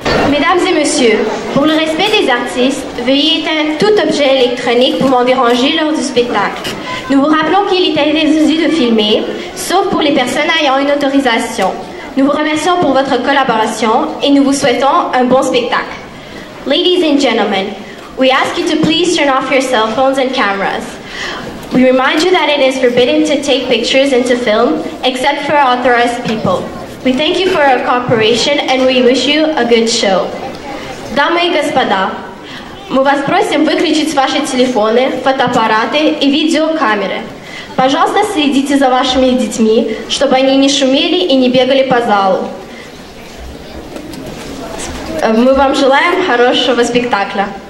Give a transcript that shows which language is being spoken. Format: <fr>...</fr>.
<fr>Mesdames et messieurs, pour le respect des artistes, veuillez éteindre tout objet électronique pouvant déranger lors du spectacle. Nous vous rappelons qu'il est interdit de filmer, sauf pour les personnes ayant une autorisation. Nous vous remercions pour votre collaboration et nous vous souhaitons un bon spectacle.</fr> <en>Ladies and gentlemen, we ask you to please turn off your cell phones and cameras. We remind you that it is forbidden to take pictures and to film, except for authorized people. We thank you for our cooperation and we wish you a good show.</en> <ru>Дамы и господа, мы вас просим выключить ваши телефоны, фотоаппараты и видеокамеры. Пожалуйста, следите за вашими детьми, чтобы они не шумели и не бегали по залу. Мы вам желаем хорошего спектакля.</ru>